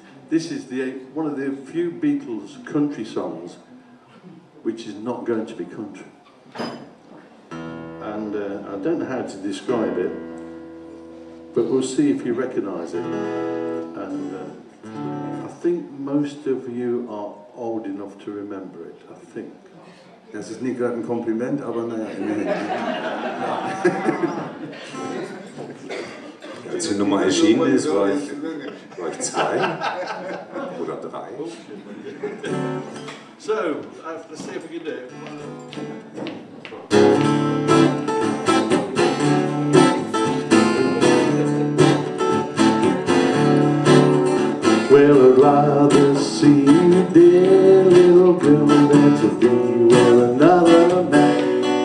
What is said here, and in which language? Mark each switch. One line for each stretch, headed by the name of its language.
English: This is one of the few Beatles country songs which is not going to be country. And I don't know how to describe it, but we'll see if you recognise it. And I think most of you are old enough to remember it, I think.
German: Das ist nicht gerade ein Kompliment, aber naja, im Endeffekt. Als die Nummer erschienen ist, war ich zwei oder drei.
English: So, let's see if we can do it. Well, I'd rather see you dead, little girl, than to be with another man.